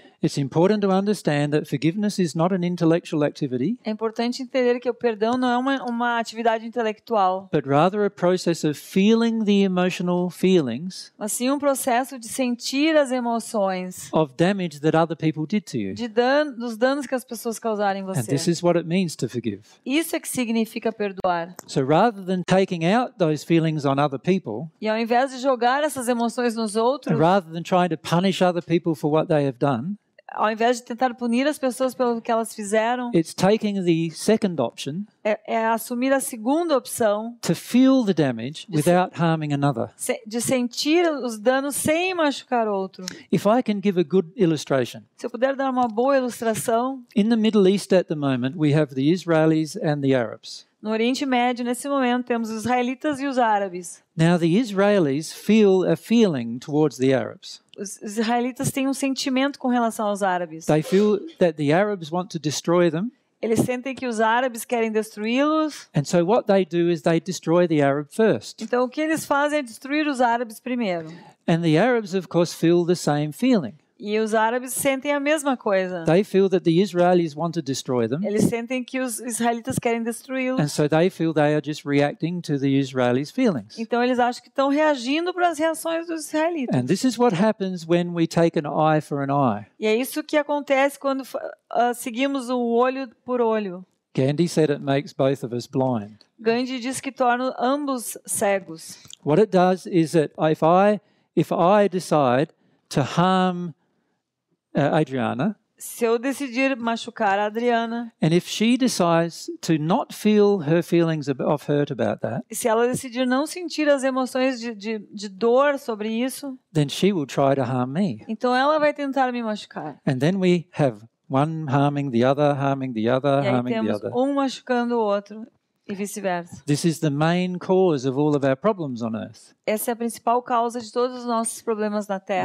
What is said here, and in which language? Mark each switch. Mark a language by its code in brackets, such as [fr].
[en] It's important to understand that forgiveness is not an intellectual activity. [pt] É importante entender que o perdão não é uma atividade intelectual. [en] But rather a process of feeling the emotional feelings. [pt] Mas sim um processo de sentir as emoções. [en] Of damage that other people did to you. [pt] Dos danos que as pessoas causaram em você. [en] And this is what it means to forgive. [pt] Isso é que significa perdoar. [en] So rather than taking out those feelings on other people. [pt] E ao invés de jogar essas emoções nos outros. [en] Rather than trying to punish other people for what they have done. [pt] Ao invés de tentar punir as pessoas pelo que elas fizeram, [en] it's taking the second option, [pt] é assumir a segunda opção, [en] to feel the damage without harming another. [pt] De sentir os danos sem machucar outro. [en] If I can give a good illustration, [pt] se eu puder dar uma boa ilustração, [en] in the Middle East at the moment we have the Israelis and the Arabs. [pt] No Oriente Médio, nesse momento, temos os israelitas e os árabes. [en] Now the Israelis feel a feeling towards the Arabs. [pt] Os israelitas têm um sentimento com relação aos árabes. [en] They feel that the Arabs want to destroy them. [pt] Eles sentem que os árabes querem destruí-los. [en] And so what they do is they destroy the Arab first. [pt] Então o que eles fazem é destruir os árabes primeiro. [en] And the Arabs, of course, feel the same feeling. [pt] E os árabes sentem a mesma coisa. [en] They feel that the Israelis want to destroy them. [pt] Eles sentem que os israelitas querem destruí-los. [en] And so they feel they are just reacting to the Israelis' feelings. [pt] Então eles acham que estão reagindo para as reações dos israelitas. [en] And this is what happens when we take an eye for an eye. [pt] E é isso que acontece quando seguimos o olho por olho. [en] Gandhi said it makes both of us blind. [pt] Gandhi diz que torna ambos cegos. [en] What it does is that if I decide to harm Adriana. [pt] Se eu decidir machucar a Adriana. [en] And if she decides to not feel her feelings of hurt about that. [pt] Se ela decidir não sentir as emoções de dor sobre isso. [en] Then she will try to harm me. [pt] Então ela vai tentar me machucar. [en] And then we have one harming the other, harming the other, harming the other. [pt] E temos um machucando o outro. E vice-versa. [en] This is the main cause of all of our problems on earth. [pt] Essa é a principal causa de todos os nossos problemas na Terra.